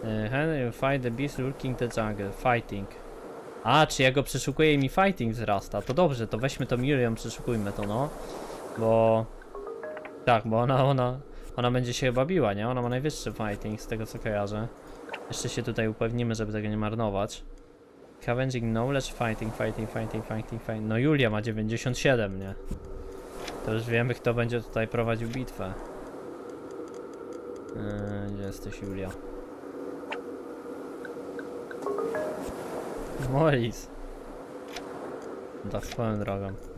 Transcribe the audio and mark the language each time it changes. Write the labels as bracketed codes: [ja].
[en] Henry, fight the beast lurking the jungle, fighting. [pl] A, czy ja go przeszukuję i mi fighting wzrasta? To dobrze, to weźmy to Miriam, przeszukujmy to, no. Bo... Tak, bo ona będzie się chyba biła, nie? Ona ma najwyższy fighting, z tego co kojarzę. Jeszcze się tutaj upewnimy, żeby tego nie marnować. [en] Cavenging knowledge, fighting, fighting, fighting, fighting, fighting. [pl] No Julia ma 97, nie? To już wiemy, kto będzie tutaj prowadził bitwę. Gdzie jesteś, Julia? Moris. Tak swoją drogą.